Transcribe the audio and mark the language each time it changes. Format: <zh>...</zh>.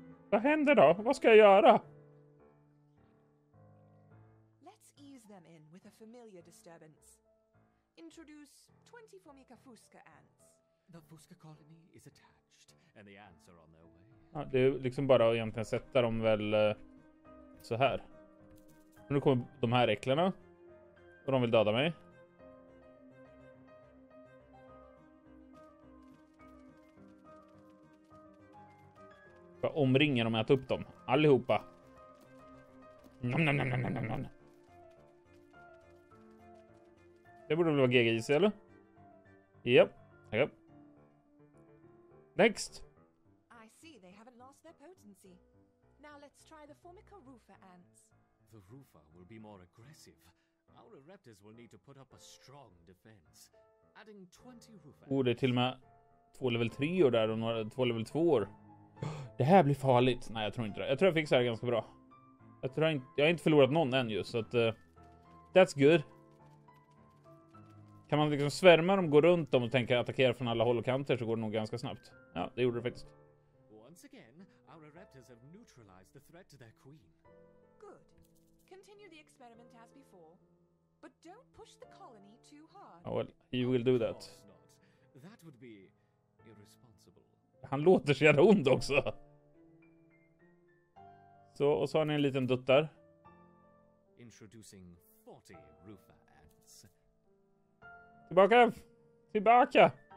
<sv>Vad händer då? Vad ska jag göra?</sv> <en>Let's ease them in with a familiar disturbance. Introduce 20 Formica Fusca ants. The Fusca colony is attacked. And the ants are on their way.</en> <sv>Ja, det är liksom bara att egentligen sätta dem väl så här. Nu kommer de här äcklarna. Och de vill döda mig. Bara omringa dem och äta upp dem. Allihopa. Nom, nom, nom, nom, nom, nom. Det borde väl vara GGIC, eller?</sv> <en>Japp. Yep. Yep. Next. I see they haven't lost their potency. Now let's try the Formica Rufa ants. The Rufa will be more aggressive. Our raptors will need to put up a strong defense. Adding 20 Rufa.</en> <sv>Oh, det är till och med två level 3 och där och några två level 2. Det här blir farligt. Nej, jag tror inte det. Jag tror jag fixar det ganska bra. Jag tror jag har inte förlorat någon än just så att</sv> <en>that's good.</en> <sv>Kan man liksom svärma dem, gå runt dem och tänka attackera från alla håll och kanter, så går det nog ganska snabbt. Ja, det gjorde det faktiskt.</sv> <en>Once again, our raptors have neutralized the threat to their queen. Good. Continue the experiment as before. But don't push the colony too hard. Oh, well, you will do that. That would be irresponsible.</en> <sv>Han låter så jävla ond också. Så, och så har ni en liten dutt där.</sv> <en>Introducing 40 roofer ants.</en> <sv>Tillbaka! Tillbaka!</sv>